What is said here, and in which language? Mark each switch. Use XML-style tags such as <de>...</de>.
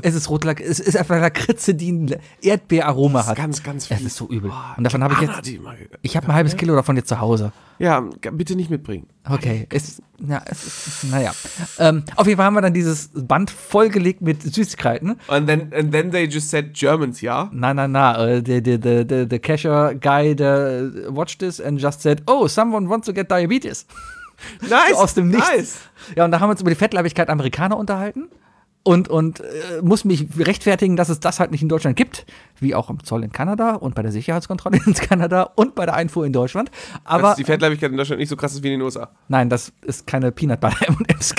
<de>Es ist einfach Lakritze, die ein Erdbeeraroma hat. Ganz, ganz viel. Es ist so übel. Oh, und davon habe ich jetzt. Ich habe ein halbes Kilo davon jetzt zu Hause. Ja, bitte nicht mitbringen. Okay. Auf jeden Fall haben wir dann dieses Band vollgelegt mit Süßigkeiten.</de> <en>And then they just said Germans,</en> <de>ja? Na.</de> <en>The cashier guy watched this and just said, oh, someone wants to get diabetes. Nice.</en> <de>So aus dem Nichts. Nice. Ja, und da haben wir uns über die Fettleibigkeit Amerikaner unterhalten. Und muss mich rechtfertigen, dass es das halt nicht in Deutschland gibt, wie auch im Zoll in Kanada und bei der Sicherheitskontrolle in Kanada und bei der Einfuhr in Deutschland. Aber dass die Fettleibigkeit in Deutschland nicht so krass ist wie in den USA. Nein, das ist keine Peanut Butter M&M's.</de>